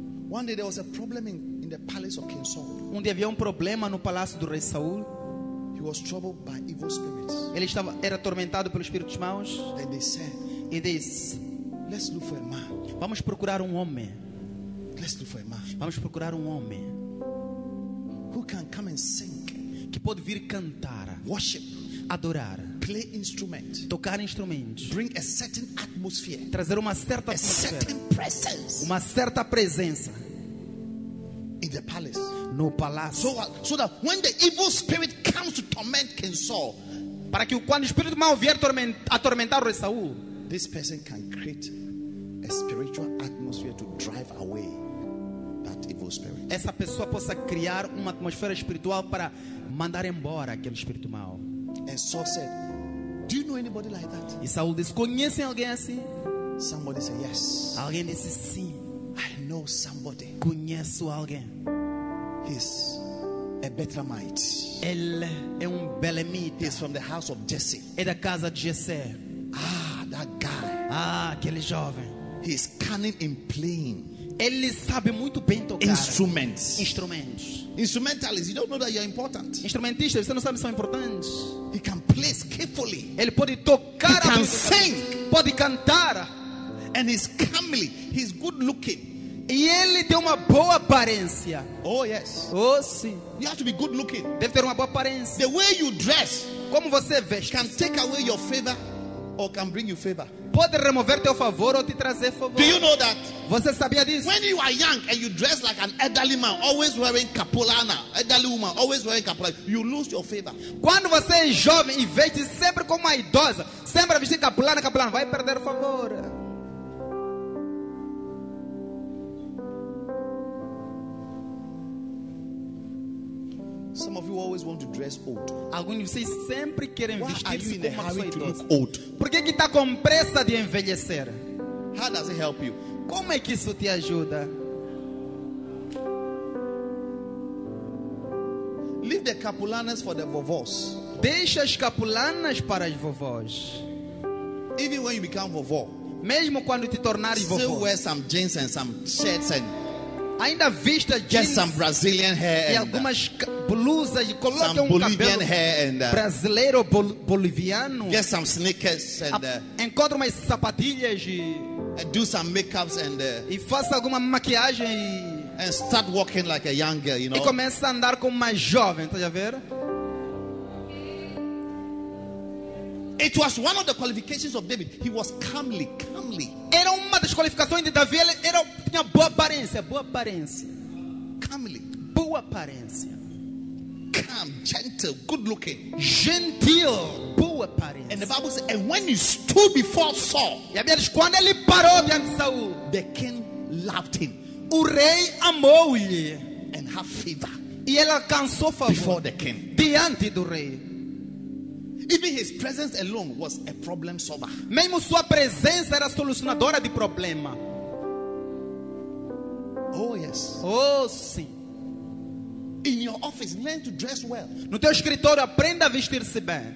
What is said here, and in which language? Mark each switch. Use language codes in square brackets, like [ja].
[en] One day there was a problem in the palace of King Saul. [pt] Um dia havia problema no palácio do rei Saul. [en] He was troubled by evil spirits. [pt] Ele estava era atormentado pelos espíritos maus. [en] And they said, [pt] e diz, [en] "Let's look for a man." [pt] Vamos procurar um homem. [en] Let's look for a man. [pt] Vamos procurar um homem. [en] Who can come and sing? [pt] Que pode vir cantar. [en] Worship. [pt] Adorar. [en] Play instrument. [pt] Tocar instrumentos. [en] Bring a certain atmosphere. [pt] Trazer uma certa atmosfera. [en] A certain presence. [pt] Uma certa presença. [en] In the palace. [pt] No palácio. [en] So that when the evil spirit comes to torment King Saul, [pt] para que quando o espírito mau vier atormentar o rei Saul, [en] this person can create a spiritual atmosphere to drive away that evil spirit. [pt] Essa pessoa possa criar uma atmosfera espiritual para mandar embora aquele espírito mau. [en] And Saul said, "Do you know anybody like that?" [pt] E Saul disse, conhece alguém assim? [en] Somebody said, "Yes." [pt] Alguém disse, sim. [en] I know somebody. [pt] Conheço alguém. [en] He's a Betlehemite. [pt] Ele é belemita. [en] He's from the house of Jesse. [pt] É da casa de Jesse. [en] Ah, that guy. [pt] Ah, aquele jovem. [en] He's cunning in playing. [pt] Ele sabe muito bem tocar. [en] Instruments. [pt] Instrumentos. [en] Instrumentalists, you don't know that you're important. [pt] Instrumentistas, você não sabe que são importantes. [en] He can play skillfully. [pt] Ele pode tocar. [en] He can sing. [pt] Pode cantar. [en] And he's comely. He's good looking. [pt] E ele tem uma boa aparência. [en] Oh yes. [pt] Oh sim. [en] You have to be good looking. [pt] Deve ter uma boa aparência. [en] The way you dress, [pt] como você veste, [en] can take away your favor or can bring you favor. [pt] Pode remover teu favor ou te trazer favor. [en] Do you know that? [pt] Você sabia disso? [en] When you are young and you dress like an elderly man, always wearing capulana, elderly woman, always wearing capulana, you lose your favor. [pt] Quando você é jovem e veste sempre como uma idosa, sempre vestindo capulana, capulana, vai perder favor. [en] Some of you always want to dress old. [pt] Alguns de vocês sempre querem vestir como uma pessoa idosa. [en] Look old? [pt] Por que está com pressa de envelhecer? [en] How does it help you? [pt] Como é que isso te ajuda? [en] Leave the capulanas for the vovós. [pt] Deixa as capulanas para as vovós. [en] Even when you become vovó, [pt] mesmo quando te tornares vovó, [en] still wear some jeans and some shirts and [pt] ainda vista [en] jeans, some Brazilian hair [pt] e algumas blusas, e coloque um [en] Bolivian [pt] cabelo [en] hair and, [pt] brasileiro boliviano. [en] Get some sneakers and [pt] encontre umas sapatilhas e [en] do some makeups and [pt] e faça alguma maquiagem e [en] and start walking like a young girl, you know. [pt] E comece a andar como uma jovem, tá a ver? [en] It was one of the qualifications of David. He was comely, comely. [pt] Era uma das qualificações de Davi, ele era, tinha boa aparência, [en] comely, [pt] boa aparência. [en] Calm, gentle, good looking. [pt] Gentil, boa aparência. [en] And the Bible says, and when he stood before Saul, [pt] e a Bíblia diz, quando ele parou diante de Saul, [en] the king loved him. [pt] O rei amou-lhe. [en] And had favor. [pt] E ele alcançou favor. [en] Before the king. [pt] Diante do rei. [en] Even his presence alone was a problem solver. [pt] Mesmo sua presença era solucionadora de problema. [en] Oh yes. [pt] Oh sim. [en] In your office, learn to dress well. [pt] No teu escritório, aprenda a vestir-se bem.